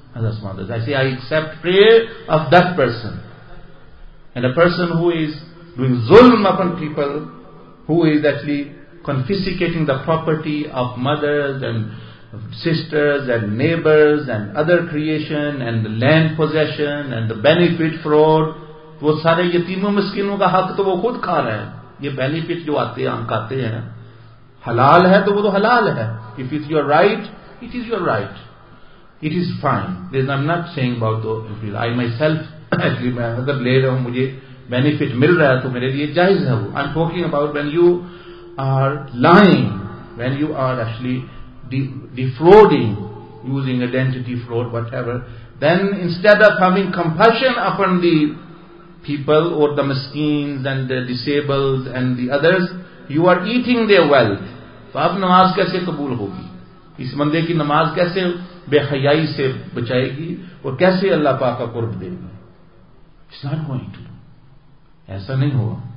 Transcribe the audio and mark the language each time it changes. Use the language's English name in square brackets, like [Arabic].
[English] I say I accept prayer of that person, and a person who is doing zulm upon people, who is actually confiscating the property of mothers and sisters and neighbors and other creation and the land possession and the benefit fraud, [Urdu] وہ سارے یتیموں مسکینوں کا حق تو وہ خود کھا رہے ہیں. یہ benefit جو آتے ہیں, آتے ہیں, حلال ہے تو وہ تو حلال ہے. [English] If it's your right, it is your right. It is fine. This I'm not saying about the people. I myself, actually, [Urdu] میں اگر لے رہا ہوں, مجھے benefit مل رہا ہے تو میرے لیے جائز ہے. [English] I'm talking about when you are lying, when you are actually defrauding, using identity fraud, whatever, then instead of having compassion upon the people or the miskins and the disabled and the others, you are eating their wealth. [Urdu] تو آپ نماز کیسے قبول ہوگی, اس بندے کی نماز کیسے بے حیائی سے بچائے گی, اور کیسے اللہ پاک کا قرب دے گی؟ [English] it's not going to, [Urdu] ایسا نہیں ہوا.